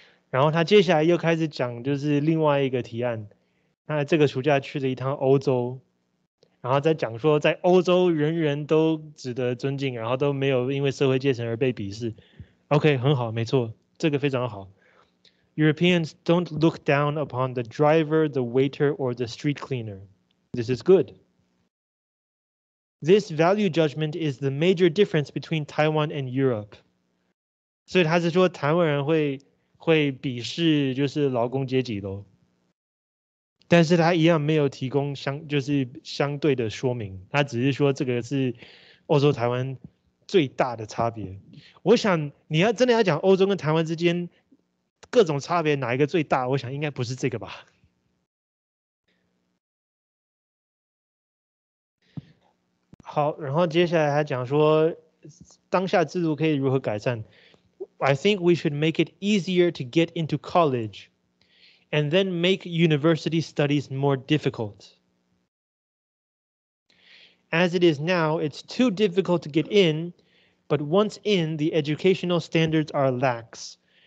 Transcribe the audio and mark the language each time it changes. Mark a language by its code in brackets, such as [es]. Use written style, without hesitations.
[zh] 然后他接下来又开始讲，就是另外一个提案。他这个暑假去了一趟欧洲，然后再讲说，在欧洲人人都值得尊敬，然后都没有因为社会阶层而被鄙视。 OK， 很好，没错，这个非常好。 [en] Europeans don't look down upon the driver, the waiter, or the street cleaner. This is good. This value judgment is the major difference between Taiwan and Europe. [zh] 所以他是说台湾人会鄙视就是劳工阶级咯。但是他一样没有提供相对的说明。他只是说这个是欧洲台湾最大的差别。我想你要真的要讲欧洲跟台湾之间各种差别哪一个最大，我想应该不是这个吧。好，然后接下来还讲说当下制度可以如何改善。 [en] I think we should make it easier to get into college and then make university studies more difficult. As it is now, it's too difficult to get in, but once in, the educational standards are lax.